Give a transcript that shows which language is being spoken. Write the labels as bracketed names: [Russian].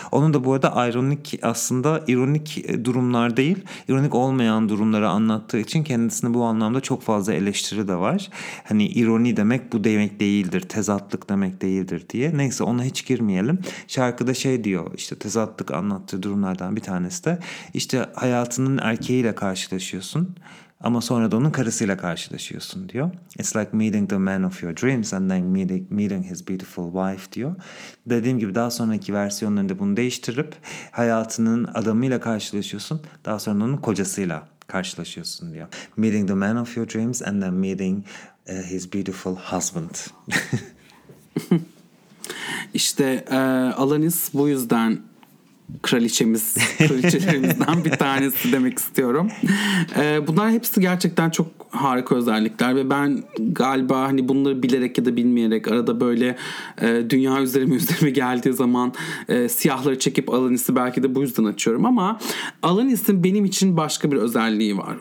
[Turkish] Onun da bu arada Ironic aslında ironik durumlar değil, ironik olmayan durumları anlattığı için kendisine bu anlamda çok fazla eleştiri de var. Hani ironi demek bu demek değildir, tezatlık demek değildir diye. Neyse ona hiç girmeyelim. Şarkıda şey diyor, işte tezatlık anlattığı durumlardan bir tanesi de İşte hayatının erkeğiyle karşılaşıyorsun ama sonra da onun karısıyla karşılaşıyorsun diyor. [English] It's like meeting the man of your dreams and then meeting his beautiful wife [Turkish] diyor. Dediğim gibi daha sonraki versiyonlarında bunu değiştirip hayatının adamıyla karşılaşıyorsun, daha sonra onun kocasıyla karşılaşıyorsun diyor. [English] Meeting the man of your dreams and then meeting his beautiful husband. [Turkish] İşte Alanis bu yüzden kraliçemiz, kraliçelerimizden bir tanesi demek istiyorum. Bunlar hepsi gerçekten çok harika özellikler ve ben galiba hani bunları bilerek ya da bilmeyerek arada böyle dünya üzerime geldiği zaman siyahları çekip Alanis'i belki de bu yüzden açıyorum ama Alanis'in benim için başka bir özelliği var.